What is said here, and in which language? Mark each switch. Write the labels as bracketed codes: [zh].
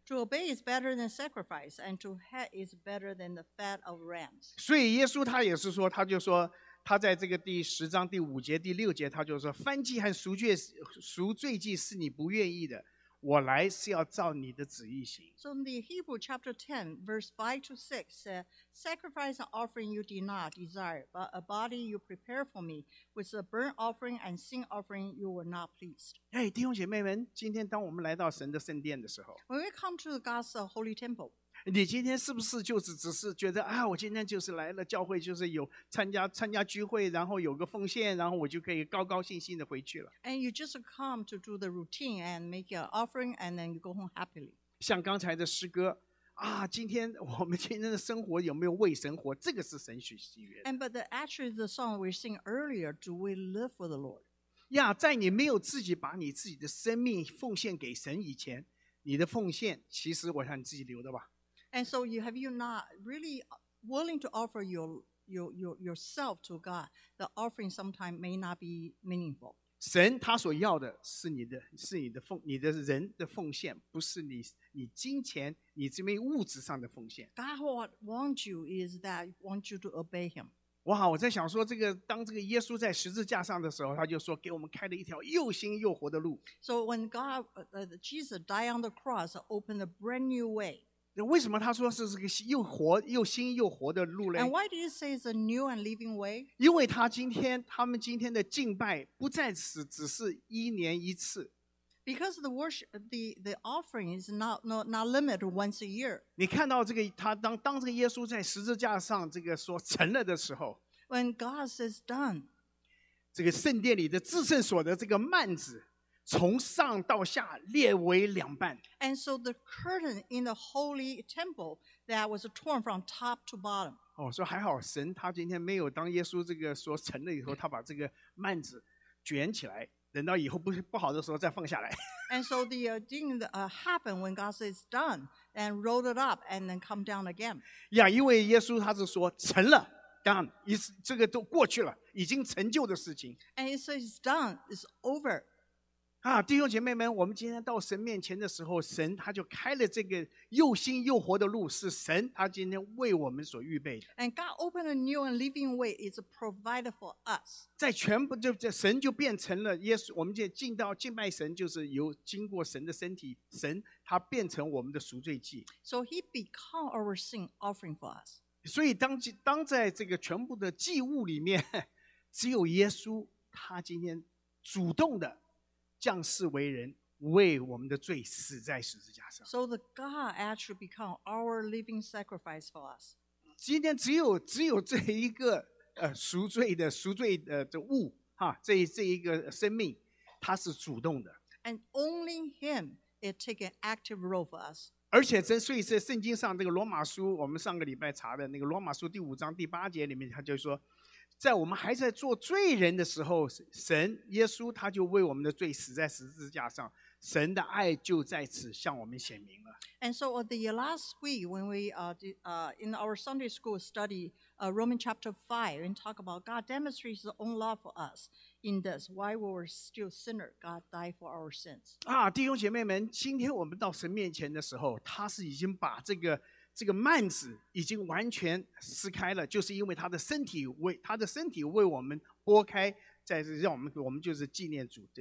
[en] To obey is better than sacrifice, and to hate is better than the fat of rams. [zh] 所以耶稣他也是说，他就说他在这个第十章第五节第六节，他就说燔祭和赎罪祭是你不愿意的，我来是要照你的旨意行。 [en] So in the Hebrew chapter 10, verse 5 to 6, says, sacrifice and offering you did not desire, but a body you prepare for me, with a burnt offering and sin offering you were not pleased. [zh] Hey, 弟兄姐妹们，今天当我们来到神的圣殿的时候， [en] When we come to God's holy temple, [zh] 你今天是不是就是只是觉得啊，我今天就是来了教会，就是有参加聚会，然后有个奉献，然后我就可以高高兴兴的回去了。 [en] And you just come to do the routine and make your offering, and then you go home happily. [zh] 像刚才的诗歌啊，今天我们今天的生活有没有为神活？这个是神所喜悦的。 [en] And but actually, the song we sing earlier, do we live for the Lord? [zh] 呀，在你没有自己把你自己的生命奉献给神以前，你的奉献其实我想你自己留的吧。 [en] And so, have you not really willing to offer yourself to God? The offering sometimes may not be meaningful. [zh] 神他所要的是你的人的奉献，不是你金钱，你这边物质上的奉献。 [en] God what wants you is that wants you to obey Him. [zh] 哇，我在想说，这个当这个耶稣在十字架上的时候，他就说给我们开了一条又新又活的路。 [en] So when Jesus died on the cross, opened a brand new way. [zh] 为什么他说是这个又活又新又活的路呢？ [en] And why do you say it's a new and living way? [zh] 因为他们今天的敬拜不再是只是一年一次。 [en] Because the worship, the offering is not limited once a year. [zh] 你看到这个他当这个耶稣在十字架上这个说成了的时候， [en] When God says done, [zh] 这个圣殿里的至圣所的这个幔子从上到下裂为两半。 [en] And so the curtain in the holy temple that was torn from top to bottom. [zh] 哦，说还好，神他今天没有当耶稣这个说成了以后，他把这个幔子卷起来，等到以后不好的时候再放下来。 [en] And so the thing happened when God says done and rolled it up and then come down again. [zh] 呀，因为耶稣他是说成了。 done， 这个都过去了，已经成就的事情。 [en] And he says it's done, it's over. [zh] 啊，弟兄姐妹们，我们今天到神面前的时候，神他就开了这个又新又活的路，是神他今天为我们所预备的。 [en] And God opened a new and living way, is provided for us. [zh] 在全部就神就变成了耶稣，我们就进到敬拜神，就是由经过神的身体，神他变成我们的赎罪祭。 [en] So He become our sin offering for us. [zh] 所以当在这个全部的祭物里面，只有耶稣他今天主动的。降世为人，为我们的罪死在十字架上。 [en] So the God actually become our living sacrifice for us. [zh] 今天只有这一个赎罪的物哈，这一个生命，它是主动的。 [en] And only Him it take an active role for us. [zh] 而且真所以在圣经上这个罗马书，我们上个礼拜查的那个罗马书第五章第八节里面，他就说。在我们还在做罪人的时候，神耶稣他就为我们的罪死在十字架上，神的爱就在此向我们显明了。 [en] And so the last week when we in our Sunday school study Romans chapter 5 and talk about God demonstrates His own love for us in this, why we were still sinners, God died for our sins. [zh] 啊，弟兄姐妹们，今天我们到神面前的时候，他是已经把这个幔子已经完全撕开了，就是因为他的身体为我们剥开，在让我们就是纪念主。